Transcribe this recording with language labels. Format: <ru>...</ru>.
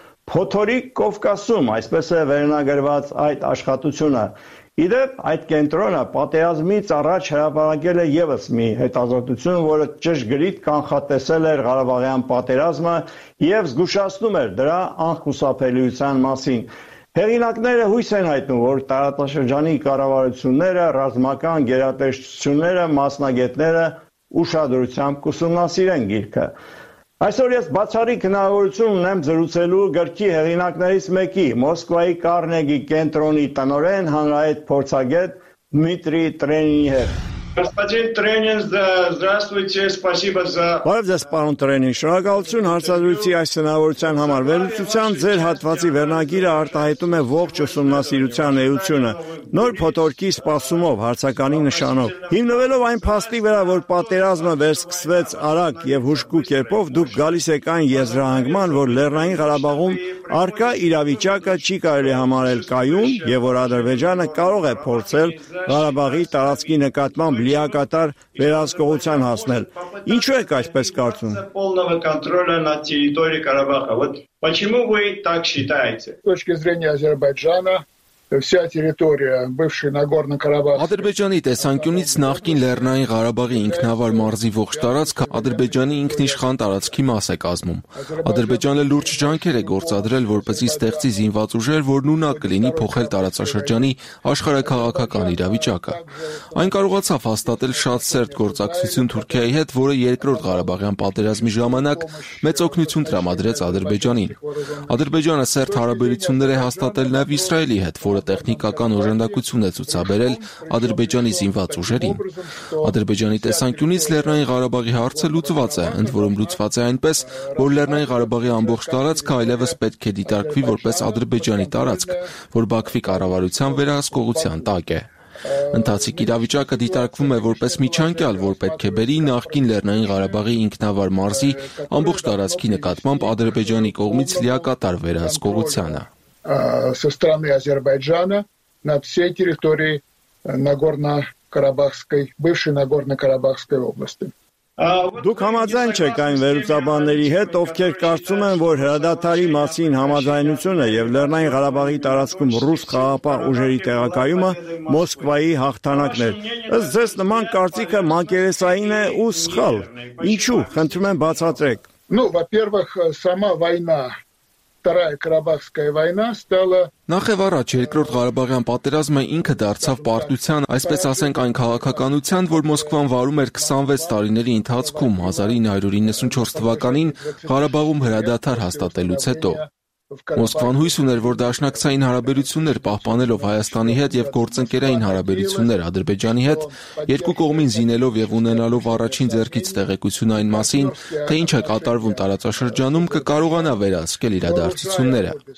<hy>Փոթորիկ Կովկասում, այսպես է վերնագրված այդ աշխատությունը, Իդեպ, այդ կենտրոնը պատերազմից առաջ հրապարակել է ևս մի հետազոտություն, որը ճշգրիտ կանխատեսել էր Ղարաբաղյան պատերազմը և զգուշացնում էր դրա անխուսափելիության մասին։ Հեղինակները հույս են հայտնում, որ տարածաշրջանի կառավարությունները, ռազմական գերատեսչությունները, մասնագետները ուշադրությամբ կուսումնասիրեն գիրքը։ Այսօր ես բացառիկ հնարավորություն ունեմ զրուցելու գրքի հեղինակներից մեկի, Մոսկվայի Կարնեգի կենտրոնի տնօրեն, հանրահայտ փորձագետ Դմիտրի Տրենինի հետ։</hy> <ru>Господин Тренин, здравствуйте, спасибо за...</ru> <hy>Բարև ձեզ, պարոն Տրենին, շնորհակալություն հարցազրույցի այս հնարավորության համար։ Վերլուծության ձեր հատվածի վերնագիրը արտահայտում է ողջ ուսումնասիրության էությունը, նոր փոթորկի սպասումով, հարցականի նշանով։ Հիմնվելով այն փաստի վրա, որ պատերազմը վերսկսվեց արագ և հուժկու կերպով, դուք գալիս եք այն եզրահանգման, որ Լեռնային Ղարաբաղում արկա իրավիճակը չի կարելի համարել կայուն և որ Ադրբեջանը կարող է փորձել Ղարաբաղի տարածքի նկատմամբ լիակատար վերահսկողության հասնել։ Ինչու եք այսպես կարծում։</hy> <ru>Полного контроля на территории Карабаха. Вот почему вы так считаете? С точки зрения Азербайджана Вся территория бывшей Нагорно-Карабахской</ru> <hy>Ադրբեջանի տեսանկյունից նախկին Լեռնային Ղարաբաղի ինքնավար մարզի ողջ տարածքը Ադրբեջանի ինքնիշխան տարածքի մաս է կազմում։ Ադրբեջանը լուրջ ջանքեր է գործադրել, որպեսզի ստեղծի զինված ուժեր, որ նույնա կլինի փոխել տարածաշրջանի աշխարհաքաղաքական իրավիճակը։ Այն կարողացավ հաստատել շատ սերտ գործակցություն Թուրքիայի հետ, որը երկրորդ Ղարաբաղյան պատերազմի ժամանակ մեծ օգնություն տրամադրեց Ադրբեջանին։ Ադրբեջանը սերտ հարաբերություններ է հաստատել նաև Իսրայելի հետ, որը տեխնիկական օժանդակություն է ցուցաբերել Ադրբեջանի զինված ուժերին։ Ադրբեջանի տեսանկյունից Լեռնային Ղարաբաղի հարցը լուծված է, ընդ որում լուծված է այնպես, որ Լեռնային Ղարաբաղի ամբողջ տարածքը այլևս պետք է դիտարկվի որպես Ադրբեջանի տարածք, որ Բաքվի կառավարության վերահսկողության տակ է։ Ընթացիկ իրավիճակը դիտարկվում է որպես միջանկյալ, որ պետք է բերի նախկին Լեռնային Ղարաբաղի ինքնավար մարզի ամբողջ տարածքի նկատմամբ Ադրբեջանի կողմից լիակատար վերահսկողությանը։</hy> <ru>со стороны Азербайджана над всей территорией Нагорно-Карабахской, бывшей Нагорно-Карабахской области.</ru> <hy>Դուք համաձայն չեք այն վերուսաբանների հետ, ովքեր կարծում են, որ հրադադարի մասին համաձայնությունը եւ Լեռնային Ղարաբաղի տարածքում ռուս խաղապահ ուժերի տեղակայումը Մոսկվայի հաղթանակն է։ Ըստ ձեզ նման կարծիքը մակերեսային է ու սխալ։ Ինչու՞, խնդրում եմ բացատրեք։</hy> <ru>Ну, во-первых, сама война Вторая Карабахская война стала</ru> <hy>Նախև առաջ երկրորդ Ղարաբաղյան պատերազմը ինքը դարձավ պարտության, այսպես ասենք այն քաղաքականության, որ Մոսկվան վարում էր 26 տարիների ընթացքում 1994 թվականին Ղարաբաղում հրադադար հաստատելուց հետո։ Մոսկվան հույս ուներ, որ դաշնակցային հարաբերություններ պահպանելով Հայաստանի հետ եւ գործընկերային հարաբերություններ Ադրբեջանի հետ, երկու կողմին զինելով եւ ունենալով առաջին ձեռքից տեղեկություն այն մասին, թե ինչ է կատարվում տարածաշրջանում, կկարողանա վերահսկել իրադարձությունները։</hy>